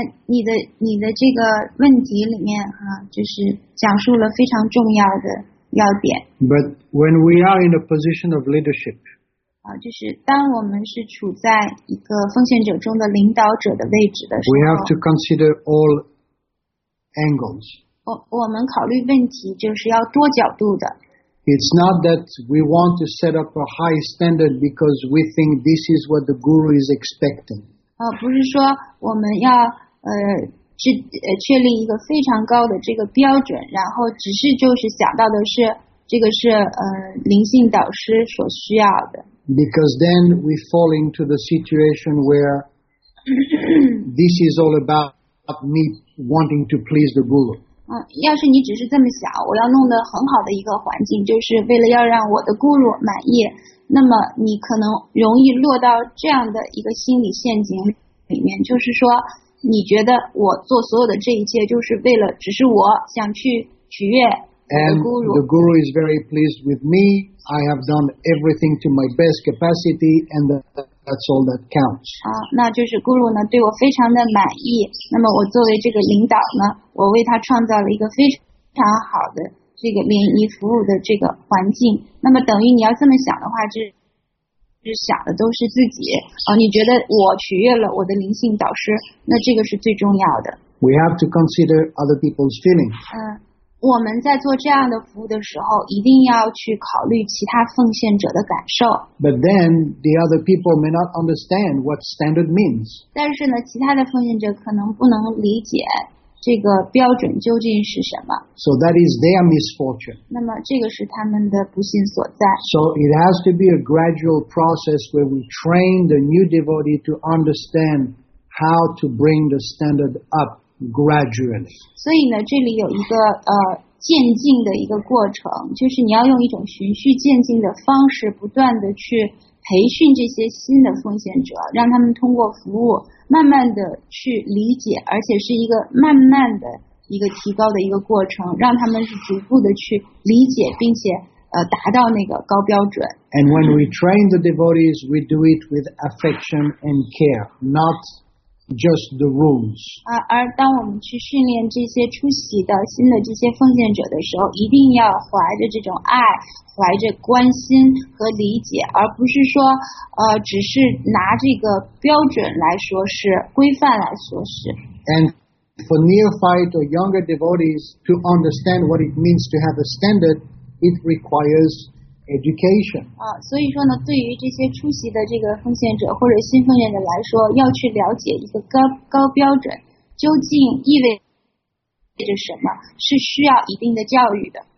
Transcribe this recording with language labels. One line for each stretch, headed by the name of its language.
Chinese: 你的这个问题里面啊，就是讲述了非常重要的要点。
English: But when we are in a position of leadership,
Chinese: 就是当我们是处在一个奉献者中的领导者的位置的时候，
English: we have to consider all angles.
Chinese: 我们考虑问题就是要多角度的。
English: It's not that we want to set up a high standard because we think this is what the guru is expecting.
Chinese: 不是说我们要确立一个非常高的这个标准，然后只是就是想到的是这个是灵性导师所需要的。
English: Because then we fall into the situation where this is all about me wanting to please the guru.
Chinese: 要是你只是这么想，我要弄得很好的一个环境，就是为了要让我的guru如满意，那么你可能容易落到这样的一个心理陷阱里面，就是说你觉得我做所有的这一切就是为了只是我想去取悦
English: And the guru is very pleased with me. I have done everything to my best capacity, and that's all that counts.
Chinese: 那就是 guru 呢对我非常的满意。那么我作为这个领导呢，我为他创造了一个非常好的这个联谊服务的这个环境。那么等于你要这么想的话，就是想的都是自己。你觉得我取悦了我的灵性导师，那这个是最重要的。
English: We have to consider other people's feelings.
Chinese: 我们在做这样的服务的时候，一定要去考虑其他奉献者的感受。
English: But then the other people may not understand what standard means.
Chinese: 但是呢，其他的奉献者可能不能理解这个标准究竟是什么。
English: So that is their misfortune.
Chinese: 那么这个是他们的不幸所在。
English: So it has to be a gradual process where we train the new devotee to understand how to bring the standard up. Gradually.
Chinese: 所以呢，这里有一个渐进的一个过程，就是你要用一种循序渐进的方式，不断的去培训这些新的奉献者，让他们通过服务慢慢的去理解，而且是一个慢慢的一个提高的一个过程，让他们是逐步的去理解，并且达到那个高标准。
English: And when we train the devotees, we do it with affection and care, not. Just the rules.
Chinese: 而当我们去训练这些出席的新的这些奉献者的时候，一定要怀着这种爱，怀着关心和理解，而不是说只是拿这个标准来说是规范来说是。
English: And for neophyte or younger devotees to understand what it means to have a standard, it requires education.
Chinese: 所以说呢，对于这些出席的这个奉献者或者新奉献者来说，要去了解一个高标准究竟意味着什么，是需要一定的教育的。